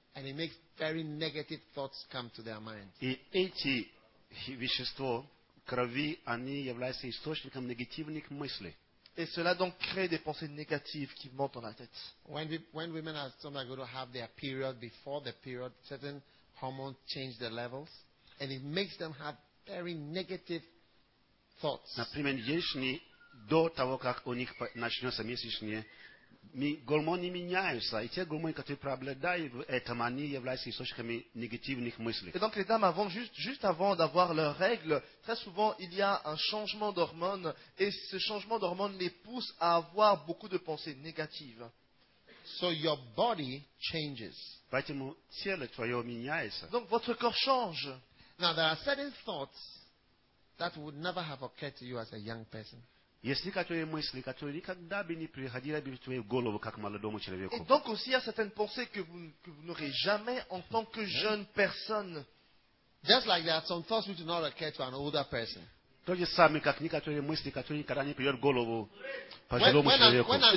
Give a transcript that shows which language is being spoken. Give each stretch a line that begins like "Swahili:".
English: And it makes very negative thoughts come to their mind.
Russian: И эти вещества крови, они являются источником негативных мыслей.
French: Et cela donc crée des pensées négatives qui montent dans la tête.
English: When women are sometimes going to have their period before the period, certain hormones change their levels, and it makes them have very negative thoughts.
Russian: Например, женщины до того, как у них начнется месячные, гормоны меняются, и те гормоны, которые преобладают в этом, они являются источниками негативных мыслей.
French: Et donc les dames, avant, juste avant d'avoir leurs règles, très souvent il y a un changement d'hormones, et ce changement d'hormones les pousse à avoir beaucoup de pensées négatives.
English: So your body changes.
Russian: Поэтому тело твое меняется.
French: Donc votre corps change.
English: Now there are certain thoughts that would never have occurred to you as a young person.
Russian: Есть некоторые мысли, которые никогда бы не приходили бы в твою голову как молодому человеку.
French: Et donc aussi, il y a certaines pensées que vous n'aurez jamais en tant que jeune personne.
English: Just like that, some thoughts which do not occur to an older person.
Russian: То же самое, как некоторые мысли, которые никогда не придут в голову пожилому человеку.